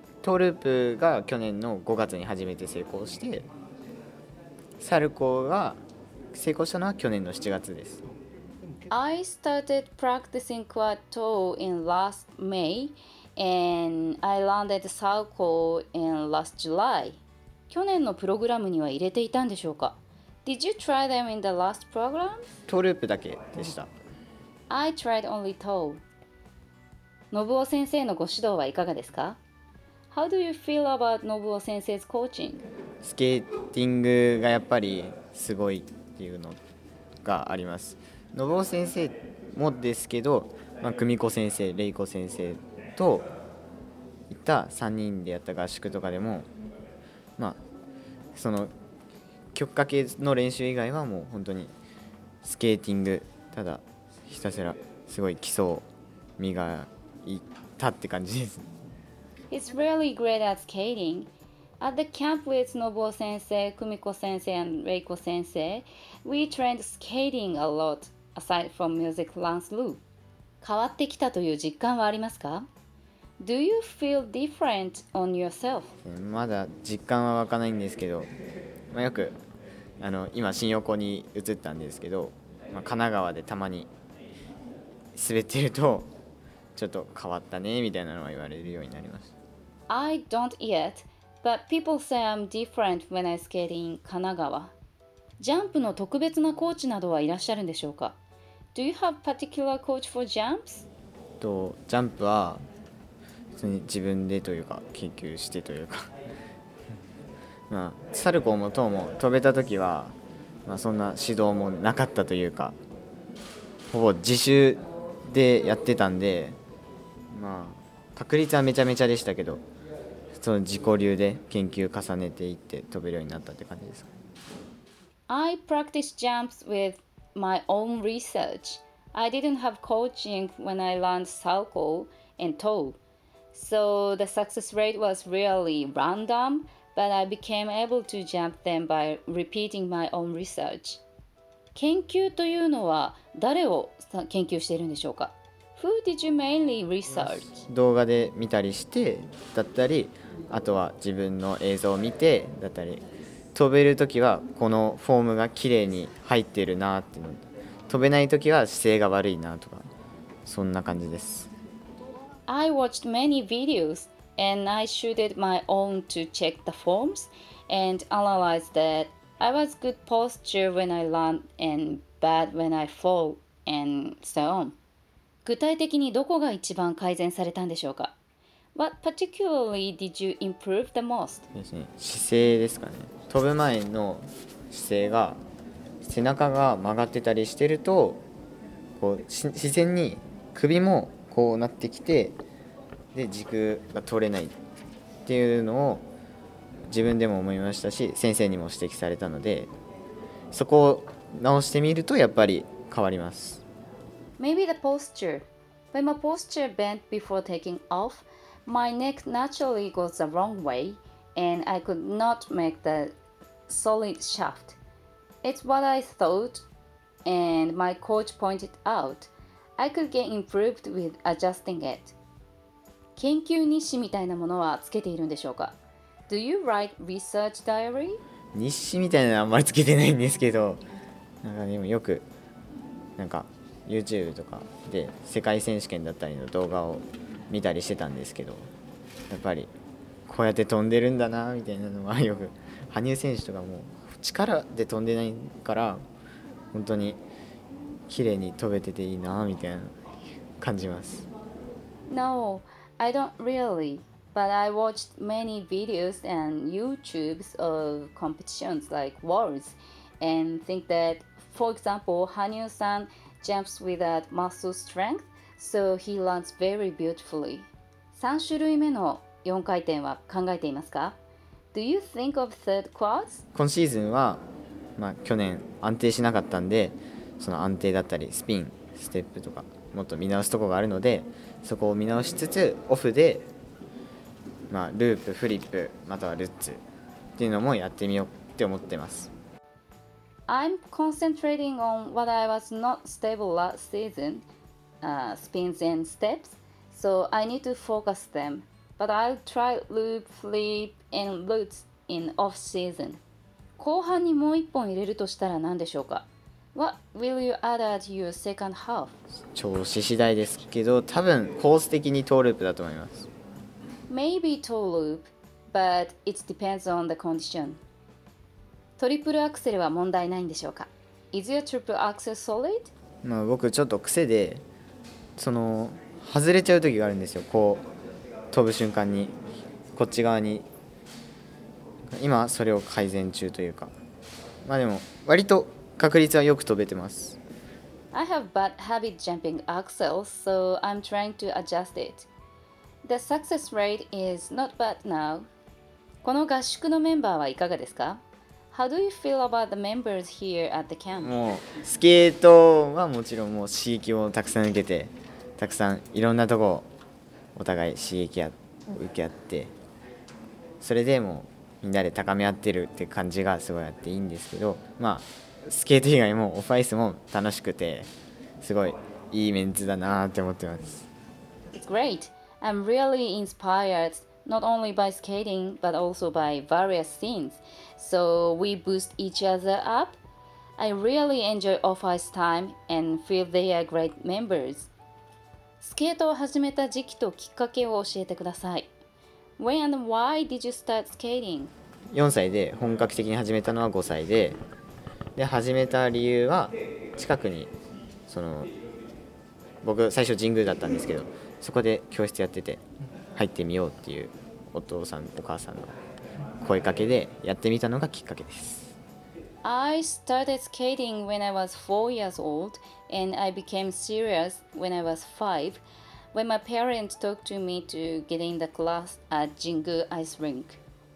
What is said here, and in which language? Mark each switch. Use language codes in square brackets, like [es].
[ja] トーループが去年の5月に初めて成功して、サルコーが成功したのは去年の7月です。 [en] I started practicing quad toe in last May and I landed circle in last July. [ja] 去年のプログラムには入れていたんでしょうか？ [en] Did you try them in the last program? [ja] トーループだけでした。 [en] I tried only toe. [ja] 信夫先生のご指導はいかがですか？ [en] How do you feel about 信夫先生's coaching? [ja] スケーティングがやっぱりすごいっていうのがあります。信夫先生もですけど、まあ、久美子先生、レイコ先生といった3人でやった合宿とかでも、まあ、その曲かけの練習以外はもう本当にスケーティング、ただひたすらすごい基礎を磨いたって感じです。 [en] He's really great at skatingAt the camp with Nobuo-sensei, Kumiko-sensei, and Reiko-sensei, we trained skating a lot, aside from music Lance Lu. [ja] 変わってきたという実感はありますか？ [en] Do you feel different on yourself? [ja] まだ実感は湧かないんですけど、まあ、よく今新横に移ったんですけど、まあ、神奈川でたまに滑ってると、ちょっと変わったねみたいなのは言われるようになりました。 [en] I don't yet. But people say I'm different when I skate in Kanagawa. [ja] ジャンプの特別なコーチなどはいらっしゃるんでしょうか？ [en] Do you have particular coach for jumps? [ja] ジャンプは自分でというか研究してというか、まあ、サルコーもトーも飛べた時はまあ、そんな指導もなかったというか、ほぼ自習でやってたんで、まあ、確率はめちゃめちゃでしたけど、その自己流で研究重ねていって飛べるようになったって感じですか。 [en] I practice jumps with my own research. I didn't have coaching when I learned salchow and tow. So the success rate was really random, but I became able to jump them by repeating my own research. [ja] 研究というのは誰を研究しているんでしょうか。 [en] Who did you mainly research? [ja] 動画で見たりしてだったり、あとは自分の映像を見てだったり、飛べるときはこのフォームが綺麗に入っているなっていうの、飛べないときは姿勢が悪いなとか、そんな感じです。 [en] I watched many videos and I shooted my own to check the forms and analyze that I was good posture when I land and bad when I fall and so on. [ja] 具体的にどこが一番改善されたんでしょうか。 [en] What particularly did you improve the most? [ja] 姿勢ですかね。飛ぶ前の姿勢が、背中が曲がってたりしてると、こう自然に首もこうなってきて、で軸が取れないっていうのを自分でも思いましたし、先生にも指摘されたので、そこを直してみるとやっぱり変わります。 [en] Maybe the posture. When my posture bent before taking offMy neck naturally goes the wrong way, and I could not make the solid shaft. It's what I thought, and my coach pointed out. I could get improved with adjusting it. [ja] 研究日誌みたいなものはつけているんでしょうか? [en] Do you write research diary? [ja] 日誌みたいなのはあんまりつけてないんですけど、なんかでもよくなんか YouTube とかで世界選手権だったりの動画を見たりしてたんですけど、やっぱりこうやって飛んでるんだなみたいなのはよく、羽生選手とかも力で飛んでないから本当に綺麗に飛べてていいなみたいな感じます。 [en] No, I don't really, but I watched many videos and YouTubes of competitions like Worlds and think that, for example, 羽生さん jumps with that muscle strengthSo he lands very beautifully. [ja] 3種類目の4回転は考えていますか? [en] Do you think of third quads? [ja] 今シーズンは、まあ、去年安定しなかったんで、その安定だったりスピン、ステップとかもっと見直すとこがあるので、そこを見直しつつオフで、まあ、ループ、フリップ、またはルッツっていうのもやってみようって思ってます。 [en] I'm concentrating on what I was not stable last seasonspins and steps, so I need to focus them. But I'll try loop, flip, and roots in off season. [ja] 後半にもう一本入れるとしたら何でしょうか? [en] What will you add at your second half? [ja] 調子次第ですけど、多分コース的にトーループだと思います。 [en] Maybe toe loop, but it depends on the condition. [ja] トリプルアクセルは問題ないんでしょうか? [en] Is your triple axel solid? [ja] まあ僕ちょっと癖で、その外れちゃう時があるんですよ。こう飛ぶ瞬間にこっち側に、今それを改善中というか、まあでも割と確率はよく飛べてます。 [en] I have bad habit jumping axles, so I'm trying to adjust it. The success rate is not bad now. [ja] この合宿のメンバーはいかがですか? [en] How do you feel about the members here at the camp? [ja] もうスケートはもちろん、もう刺激をたくさん受けて、たくさんいろんなとこお互い刺激を受け合って、それでもみんなで高め合ってるって感じがすごいあっていいんですけど、まあスケート以外もオフアイスも楽しくて、すごいいいメンツだなって思ってます。 [en] It's great. I'm really inspired not only by skating but also by various scenes. So we boost each other up. I really enjoy off ice time and feel they are great members. [ja] スケートを始めた時期ときっかけを教えてください。 [en] When and why did you start skating? [ja] 4歳で本格的に始めたのは5歳で、で始めた理由は近くに、その僕最初神宮だったんですけど、そこで教室やってて入ってみようっていうお父さんお母さんの声かけでやってみたのがきっかけです。 [en] I started skating when I was 4 years old, and I became serious when I was 5, when my parents talked to me to get in the class at Jingu Ice Rink.